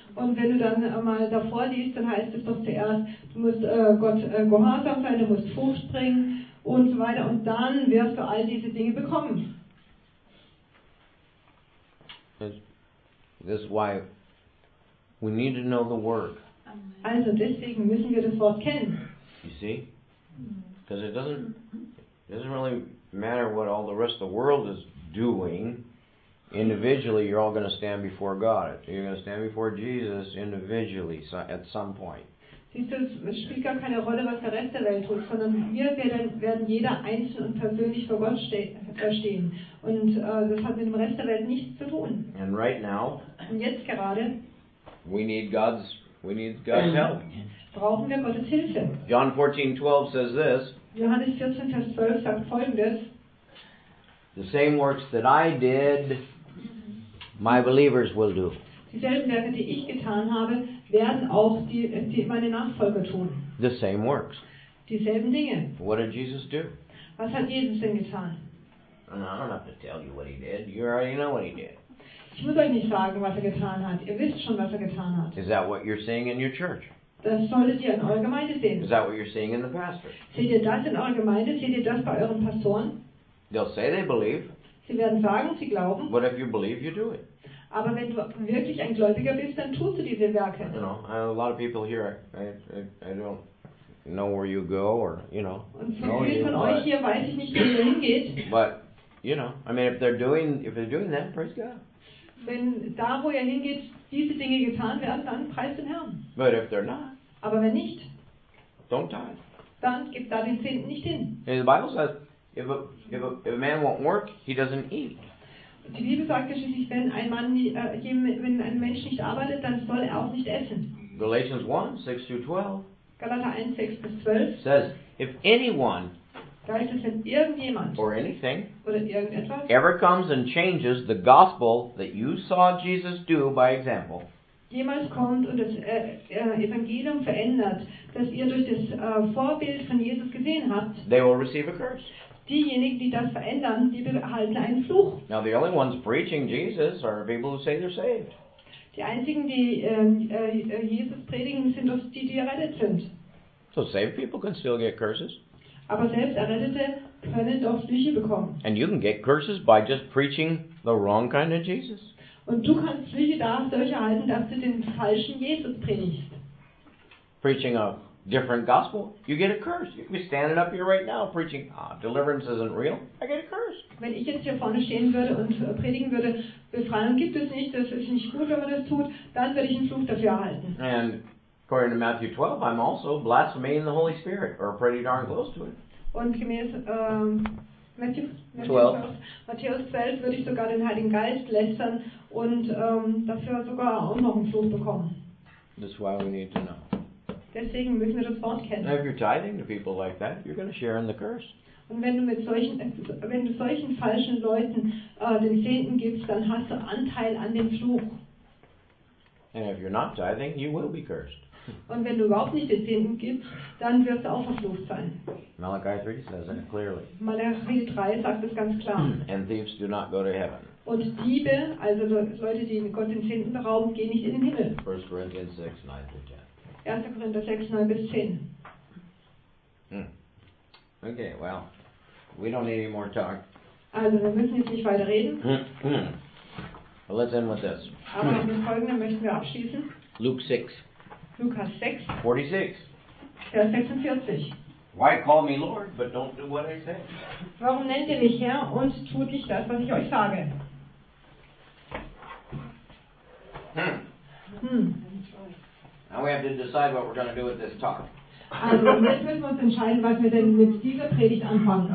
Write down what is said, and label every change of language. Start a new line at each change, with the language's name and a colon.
German: Und wenn du dann mal davor liest, dann heißt es doch zuerst, du musst Gott gehorsam sein, du musst Frucht bringen und so weiter, und dann wirst du all diese Dinge bekommen.
English: This is why we need to know the word.
German: Also deswegen müssen wir das Wort kennen.
English: You see? Because it doesn't really matter what all the rest of the world is doing. Individually, you're all going to stand before God. You're going to stand before Jesus individually at some point.
German: Siehst du, es spielt gar keine Rolle, was der Rest der Welt tut, sondern wir werden jeder einzeln und persönlich vor Gott stehen. Und das hat mit dem Rest der Welt nichts zu tun.
English: And right now,
German: und jetzt gerade,
English: we need God's help.
German: Brauchen wir Gottes Hilfe.
English: John 14:12 says this.
German: Johannes 14, Vers 12 sagt folgendes.
English: The same works that I did, my believers will do.
German: Dieselben Werke, die ich getan habe, werden auch die meine Nachfolger tun.
English: The same works.
German: Dieselben Dinge.
English: What did Jesus do?
German: Was hat Jesus denn getan?
English: And I don't have to tell you what he did. You already know what he did.
German: Ich muss euch nicht sagen, was er getan hat. Ihr wisst schon, was er getan hat.
English: Is that what you're seeing in your church?
German: Das solltet ihr in eurer Gemeinde sehen.
English: Is that what you're seeing in the pastor?
German: Seht ihr das in eurer Gemeinde? Seht ihr das bei euren Pastoren?
English: They'll say they believe.
German: Sie werden sagen, sie glauben.
English: But if you believe, you do it.
German: Aber wenn du wirklich ein Gläubiger bist, dann tust du diese Werke.
English: You know, a lot of people here, I don't know where you go or, you know.
German: Und so viele von euch hier weiß ich nicht, wo ihr hingeht.
English: But, you know, I mean, if they're doing that, praise God.
German: Wenn da, wo ihr hingeht, diese Dinge getan werden, dann preist den Herrn.
English: But if they're not.
German: Aber wenn nicht.
English: Don't tithe.
German: Dann gib da den Zehnten nicht hin.
English: And the Bible says, If a man won't work, he doesn't eat.
German: Die Bibel sagt schließlich, wenn ein Mensch nicht arbeitet, dann soll er auch nicht essen.
English: Galatians 1:6-12.
German: Galater 1:6-12.
English: Says, if anyone.
German: Da heißt es, wenn irgendjemand.
English: Or anything.
German: Oder irgendetwas.
English: Ever comes and changes the gospel that you saw Jesus do by example.
German: Jemals kommt und das Evangelium verändert, das ihr durch das Vorbild von Jesus gesehen habt.
English: They will receive a curse.
German: Diejenigen, die das verändern, die behalten einen Fluch.
English: Now the only ones preaching Jesus are people who say they're saved.
German: Die einzigen, die Jesus predigen, sind die errettet sind.
English: So saved people can still get curses.
German: Aber selbst Errettete können doch Flüche bekommen.
English: And you can get curses by just preaching the wrong kind of Jesus.
German: Und du kannst Flüche dadurch erhalten, dass du den falschen Jesus predigst.
English: Preaching a different gospel, you get a curse. You can be standing up here right now preaching, deliverance isn't real, I get a curse.
German: Wenn ich jetzt hier vorne stehen würde und predigen würde, Befreiung gibt es nicht, das ist nicht gut, wenn man das tut, dann würde ich einen Fluch dafür erhalten.
English: And according to Matthew 12, I'm also blaspheming the Holy Spirit, or pretty darn close to it.
German: Und gemäß Matthäus 12 würde ich sogar den Heiligen Geist lästern und dafür sogar auch noch einen Fluch bekommen.
English: That's why we need to know.
German: Deswegen müssen wir das Wort kennen.
English: Now if you're tithing to people like that, you're going to share in the curse.
German: Und wenn du mit solchen, wenn du solchen falschen Leuten den Zehnten gibst, dann hast du Anteil an dem Fluch.
English: And if you're not tithing, you will be cursed.
German: Und wenn du überhaupt nicht den Zehnten gibst, dann wirst du auch verflucht sein.
English: Malachi 3 says it clearly.
German: Malachi 3 sagt es ganz klar.
English: And thieves do not go to heaven.
German: Und Diebe, also Leute, die Gott den Zehnten berauben, gehen nicht in den Himmel.
English: 1 Corinthians 6, 9 through 10.
German: 1. Korinther 6, 9 bis 10.
English: Okay, well, we don't need any more talk.
German: Also, wir müssen jetzt nicht weiter reden.
English: Well, let's end with this.
German: Aber mit dem Folgenden möchten wir abschließen.
English: Luke 6.
German: Lukas 6.
English: 46.
German: Vers 46.
English: Why call me Lord, but don't do what I say?
German: Warum nennt ihr mich Herr und tut nicht das, was ich euch sage?
English: Now we have to decide what we're going to do with this talk.
German: Also, jetzt müssen wir uns entscheiden, was wir denn mit dieser Predigt anfangen.